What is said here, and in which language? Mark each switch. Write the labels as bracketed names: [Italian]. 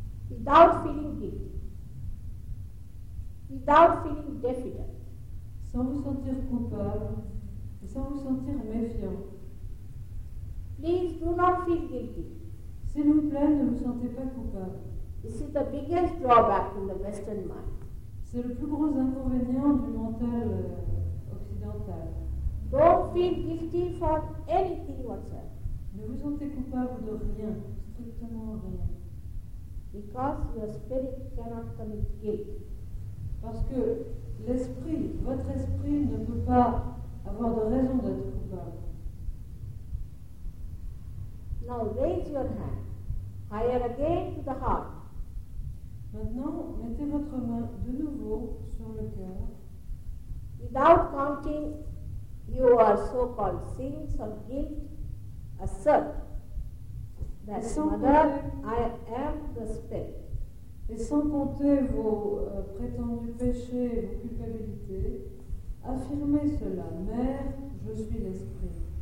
[English] Without feeling guilty, without feeling diffident, [French] sans vous sentir coupable et sans vous sentir méfiant. [English] Please do not feel guilty. [French] S'il vous plaît, ne vous sentez pas coupable. [English] This is the biggest drawback in the Western mind. [French] C'est le plus gros inconvénient du mental occidental. [English] Don't feel guilty for anything whatsoever. [French] Ne vous sentez coupable de rien, strictement rien. [English] Because your spirit cannot commit guilt. [French] Parce que l'esprit, votre esprit ne peut pas avoir de raison d'être coupable. [English] Now raise your hand higher again to the heart. [French] Maintenant, mettez votre main de nouveau sur le cœur. [English] Without counting your so-called sins or guilt, assert that Mother, I am the Spirit. [French] Et sans compter vos prétendus péchés et vos culpabilités, affirmez cela, Mère, je suis l'Esprit.